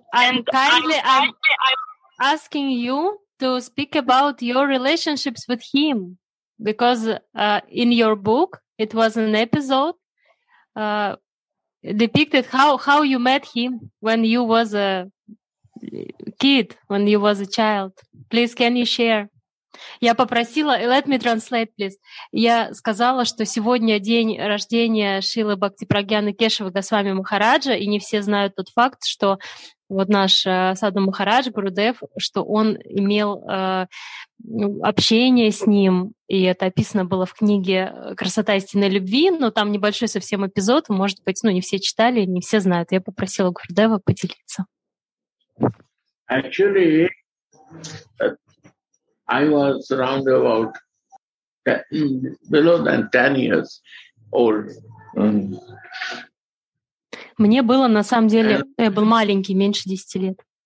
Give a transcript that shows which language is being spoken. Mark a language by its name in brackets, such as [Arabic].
[English] And I'm asking you to speak about your relationships with him, because in your book, it was an episode depicted how you met him when you was a kid, when you was a child. Please, can you share? [Russian] Я попросила, [English] let me translate, please. [Russian] Я сказала, что сегодня день рождения Шрилы Бхактипрагьяны Кешавы Госвами Махараджа, и не все знают тот факт, что вот наш Садху Махарадж Гурудев, что он имел общение с ним, и это описано было в книге «Красота истинной любви», но там небольшой совсем эпизод, может быть, ну, не все читали, не все знают. Я попросила Гурудева поделиться. [English] Actually, I was around about 10, below than 10 years old. [Russian] Мне было, на самом деле, я был маленький, меньше 10 лет.